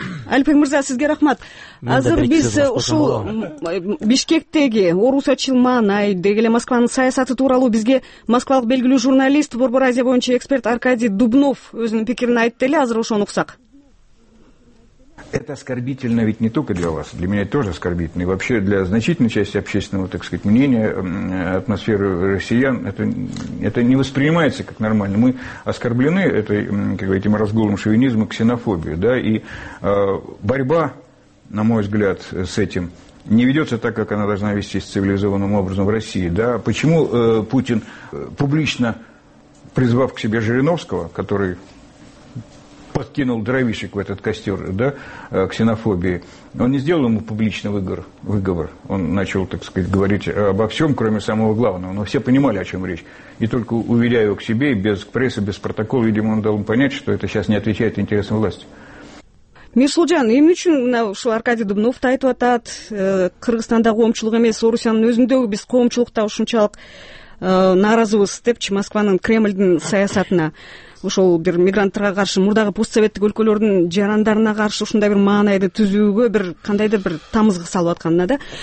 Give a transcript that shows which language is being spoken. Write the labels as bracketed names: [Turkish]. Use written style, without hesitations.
[Kyrgyz] Алипбек мырза, сизге рахмат. Азыр биз ушул Бишкектеги орусачыл маанай деги эле Москванын саясаты тууралуу бизге москвалык белгилүү журналист, Борбор Азия боюнча эксперт Аркадий Дубнов өзүнүн пикирин айтты эле, азыр ошону уксак. [Russian] Это оскорбительно ведь не только для вас, для меня это тоже оскорбительно. И вообще для значительной части общественного, так сказать, мнения, атмосферы россиян, это не воспринимается как нормально. Мы оскорблены этим разгулом шовинизма, ксенофобии. Да? И борьба, на мой взгляд, с этим не ведется так, как она должна вестись цивилизованным образом в России. Да? Почему Путин, публично призвав к себе Жириновского, который подкинул дровишек в этот костер, да, ксенофобии, он не сделал ему публичный выговор. Он начал, так сказать, говорить обо всем, кроме самого главного. Но все понимали, о чем речь. И только уверяя его к себе, без прессы, без протокола, видимо, он дал им понять, что это сейчас не отвечает интересам власти. [Kyrgyz] Мирсулжан, эмне үчүн мына ушул Аркадий Дубнов айтып атат, Кыргызстанда коомчулук эмес, Орусиянын өзүндөгү биз коомчулукта ушунчалык нааразыбыз депчи Москванын, Кремлдин саясатына? Ошол бир мигранттарга каршы, мурдагы постсоветтик өлкөлөрдүн жарандарына каршы ушундай бир маанайды түзүүгө бир кандайдыр бир тамызга салып атканына да.